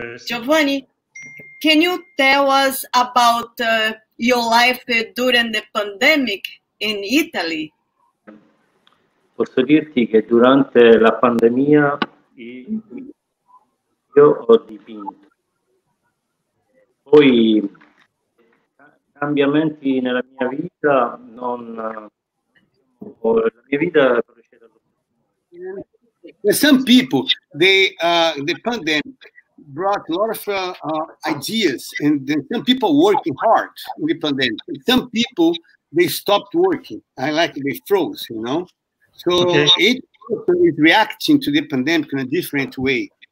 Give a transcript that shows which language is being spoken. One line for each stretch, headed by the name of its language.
English: Giovanni, can you tell us about your life during the pandemic in Italy?
Italian: Posso dirti che durante la pandemia io ho dipinto. Poi cambiamenti nella mia vita, non la mia vita procede allo stesso modo.
English: Some people, the pandemic brought a lot of ideas, and then some people working hard in the pandemic. And some people, they stopped working. I like they froze, you know? So okay. It is reacting to the pandemic in a different way.